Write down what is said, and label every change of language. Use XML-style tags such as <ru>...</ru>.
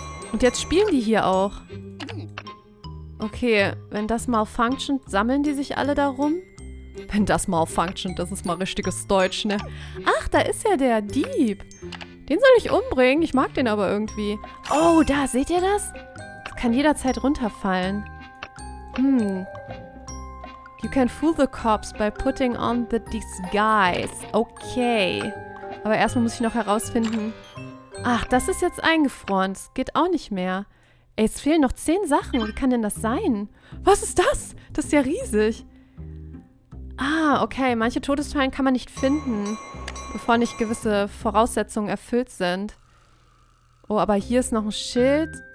<de>Und jetzt spielen die hier auch. Okay, wenn das malfunctioned, sammeln die sich alle darum? Wenn das malfunctioned, das ist mal richtiges Deutsch, ne? Ach, da ist ja der Dieb. Den soll ich umbringen. Ich mag den aber irgendwie. Oh, da, seht ihr das? Das kann jederzeit runterfallen. Hm.</de> <en>You can fool the cops by putting on the disguise.</en> <de>Okay. Aber erstmal muss ich noch herausfinden... Ach, das ist jetzt eingefroren. Das geht auch nicht mehr. Ey, es fehlen noch 10 Sachen. Wie kann denn das sein? Was ist das? Das ist ja riesig. Ah, okay. Manche Todesfallen kann man nicht finden. bevor nicht gewisse Voraussetzungen erfüllt sind. Oh, aber hier ist noch ein Schild.</de>